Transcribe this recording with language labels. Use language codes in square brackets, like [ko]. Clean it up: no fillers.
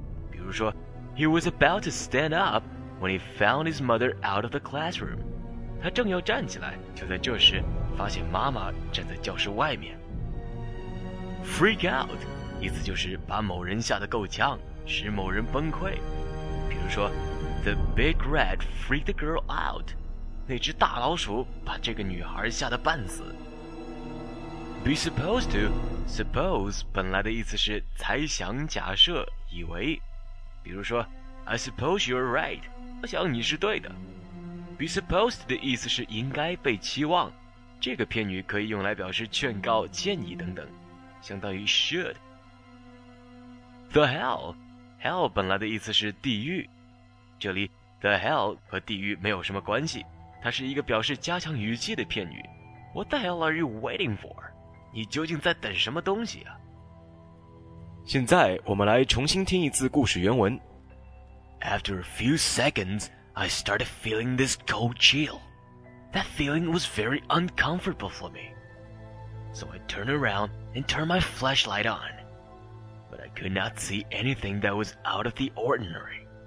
[zh] 比如说 [en] He was about to stand up when he found his mother out of the classroom. [zh] 他正要站起来，就在这时发现妈妈站在教室外面。 [en] Freak out [zh] 意思就是把某人吓得够呛，使某人崩溃。比如说 [en] The big rat freaked the girl out. [zh] 那只大老鼠把这个女孩吓得半死。 [en] Be supposed to, suppose [zh] 本来的意思是猜想、假设、以为，比如说 [en] I suppose you're right, [zh] 我想你是对的。 [en] Be supposed [zh] 的意思是应该被期望，这个片语可以用来表示劝告、建议等等，相当于 should。 [en] The hell, hell [zh] 本来的意思是地狱，这里 the hell 和地狱没有什么关系，它是一个表示加强语气的片语。 [en] What the hell are you waiting for? [zh] 你究竟在等什么东西啊？现在我们来重新听一次故事原文。 [en] After a few seconds, I started feeling this cold chill. That feeling was very uncomfortable for me. So I turned around and turned my flashlight on. But I could not see anything that was out of the ordinary.